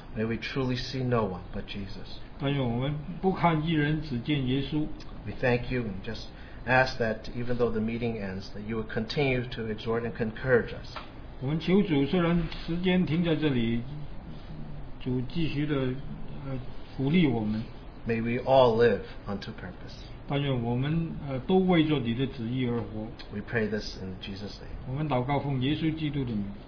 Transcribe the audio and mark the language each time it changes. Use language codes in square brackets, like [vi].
[en] may we truly see no one but Jesus. [zh] 但愿我们不看一人只见耶稣, [en] we thank you and just ask that even though the meeting ends, that you will continue to exhort and encourage us. [zh] 我们求主虽然时间停在这里, 主继续的, [en] may we all live unto purpose. [zh] 但愿我们, [en] we pray this in Jesus' name. [zh] 我们祷告奉耶稣基督的名。